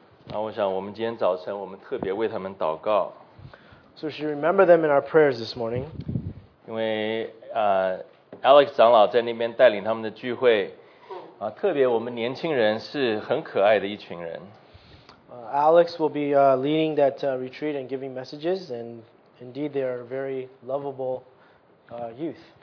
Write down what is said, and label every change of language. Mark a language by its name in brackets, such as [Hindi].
[Chinese] 那我想我们今天早晨我们特别为他们祷告。 [English] So we should remember them in our prayers this morning. [Chinese] 因为 Alex 长老在那边带领他们的聚会, 特别我们年轻人是很可爱的一群人。 [English] Alex will be leading that retreat and giving messages, and indeed they are very lovable youth.